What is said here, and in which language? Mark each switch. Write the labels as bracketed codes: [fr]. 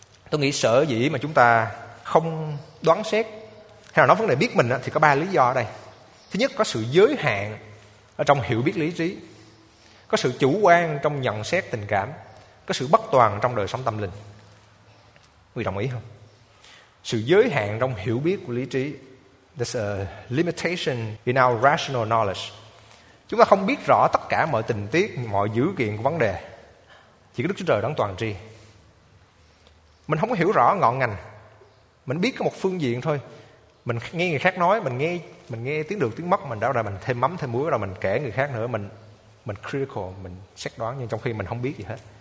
[vi] Tôi nghĩ sở dĩ mà chúng ta không đoán xét hay là nói vấn đề biết mình thì có ba lý do ở đây. Thứ nhất, có sự giới hạn ở trong hiểu biết lý trí. Có sự chủ quan trong nhận xét tình cảm. Có sự bất toàn trong đời sống tâm linh. Quý vị đồng ý không? Sự giới hạn trong hiểu biết của lý trí. [en] There's a limitation in our rational knowledge. [vi] Chúng ta không biết rõ tất cả mọi tình tiết, mọi dữ kiện của vấn đề. Chỉ có Đức Chúa Trời đấng toàn tri. Mình không có hiểu rõ ngọn ngành. Mình biết có một phương diện thôi. Mình nghe người khác nói, mình nghe tiếng được tiếng mất, mình đã ra mình thêm mắm thêm muối, rồi mình kể người khác nữa, mình critical, mình xét đoán, nhưng trong khi mình không biết gì hết.